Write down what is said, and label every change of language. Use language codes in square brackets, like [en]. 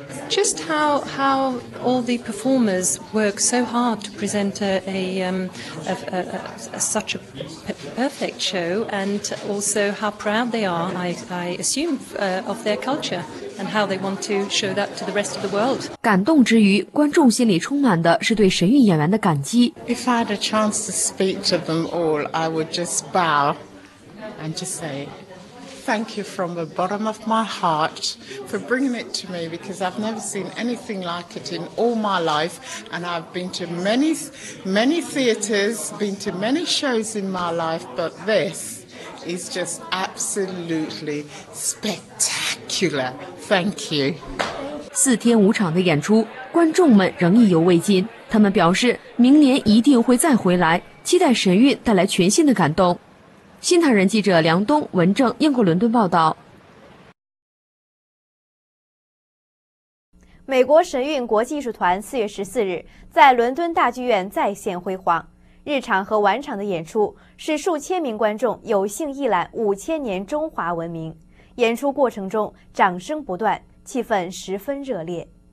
[en] Just how all the performers work so hard to present such a perfect show, and also how proud they are, I assume, of their culture, and how they want to show that to the rest of the world. [zh] 感动之余，观众心里充满的是对神韵演员的感激。 [en] If I had a chance to speak to them all, I would just bow and just say. Thank you from the bottom of my heart for bringing it to me because I've never seen anything like it in all my life. And I've been to many, many theatres, been to many shows in my life, but this is just absolutely spectacular. Thank you. [zh] 四天五场的演出，观众们仍意犹未尽。他们表示，明年一定会再回来，期待神韵带来全新的感动。新唐人记者梁东、文正，英国伦敦报道。美国神韵国际艺术团4月14日在伦敦大剧院再现辉煌，日场和晚场的演出使数千名观众有幸一览5000年中华文明，演出过程中掌声不断，气氛十分热烈。